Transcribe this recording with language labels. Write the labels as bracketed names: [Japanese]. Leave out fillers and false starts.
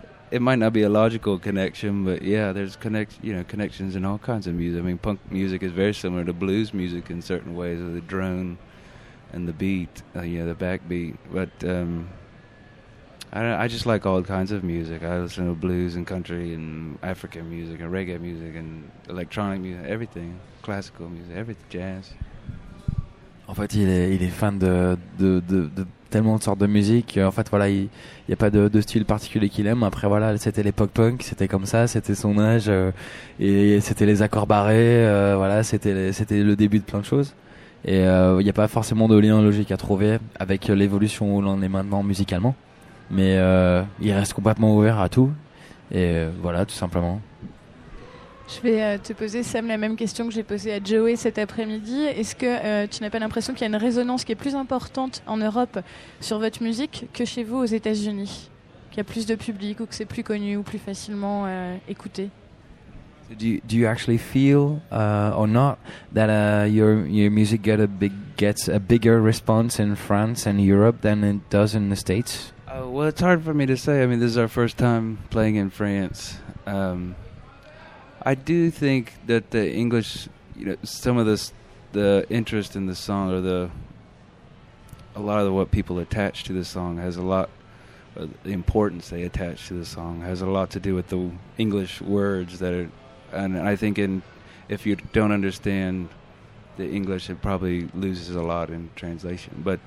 [English] It might not be a logical connection, but yeah, there's connections in all kinds of music. I mean, punk music is very similar to blues music in certain ways, with the drone and the beat, the backbeat. But I just like all kinds of music. I listen to blues and country and African music and reggae music and electronic music, everything, classical music, everything, jazz. [French] En fait, il est fan de tellement de sortes de musique. En fait, voilà, il n'y a pas de style particulier qu'il aime. Après, voilà, c'était l'époque punk, c'était comme ça, c'était son âge, et c'était les accords barrés. C'était le début de plein de choses. Et il n'y a pas forcément de lien logique à trouver avec l'évolution où l'on est maintenant musicalement. Mais il reste complètement ouvert à tout. Et voilà, tout simplement. Je vais te poser, Sam, la même question que j'ai posée à Joey cet après-midi. Est-ce que tu n'as pas l'impression qu'il y a une résonance qui est plus importante en Europe sur votre musique que chez vous aux États-Unis ? Qu'il y a plus de public ou que c'est plus connu ou plus facilement écouté ? [English] Do you actually feel or not that your music gets a bigger response in France and Europe than it does in the States ? Well, it's hard for me to say. I mean, this is our first time playing in France. I do think that the English, some of the interest in the song or a lot of what people attach to the song has a lot, the importance they attach to the song has a lot to do with the English words that are, and I think if you don't understand the English, it probably loses a lot in translation.